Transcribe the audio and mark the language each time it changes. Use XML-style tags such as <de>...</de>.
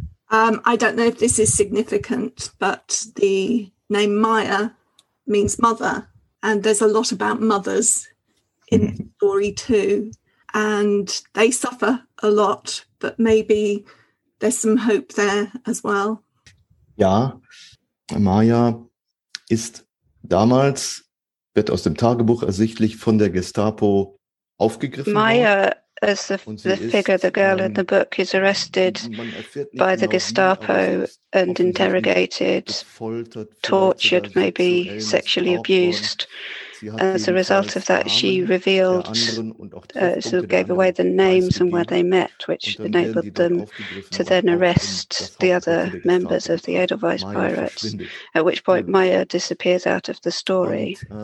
<en>I don't know if this is significant, but the name Maya means mother. And there's a lot about mothers in the story too. And they suffer a lot, but maybe there's some hope there as well.</en> <de>Ja, Maya ist damals, wird aus dem Tagebuch ersichtlich, von der Gestapo aufgegriffen worden.</de> <en>As the figure, the girl in the book, is arrested by the Gestapo and interrogated, tortured, maybe sexually abused. As a result of that, she revealed, gave away the names and where they met, which enabled them to then arrest the other members of the Edelweiss pirates, at which point Maya disappears out of the story.</en>